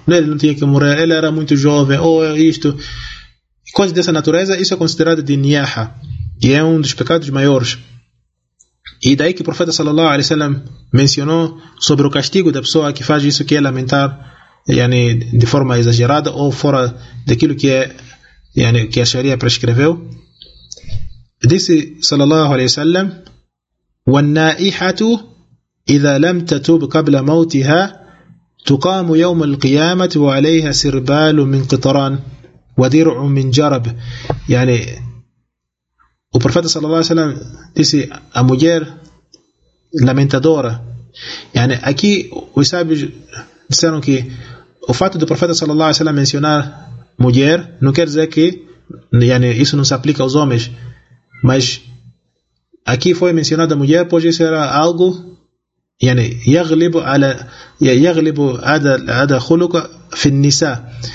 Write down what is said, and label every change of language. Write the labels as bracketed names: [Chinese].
[Portuguese] Ele não tinha que morrer, ele era muito jovem, ou oh, isto. Coisas dessa natureza, isso é considerado de niyaha, e é um dos pecados maiores. E daí que o profeta sallallahu alaihi wasallam mencionou sobre o castigo da pessoa que faz isso, que é lamentar yani, de forma exagerada ou fora daquilo que, é, yani, que a Sharia prescreveu. Disse [Arabic] sallallahu alaihi wasallam: والنائحة إذا لم تتوب قبل موتها تقام يوم القيامة وعليها سربال من قطران ودرع من جرب. يعني [Portuguese] o profeta sallallahu alaihi wasallam disse: a mulher lamentadora, yani aqui os sábios disseram que o fato do profeta sallallahu alaihi wasallam mencionar mulher não quer dizer que yani, isso não se aplica aos homens, mas aqui foi mencionada a mulher, pois isso era algo yani, [Arabic] yaglibu ala, yaglibu ada khuluka fin nisa.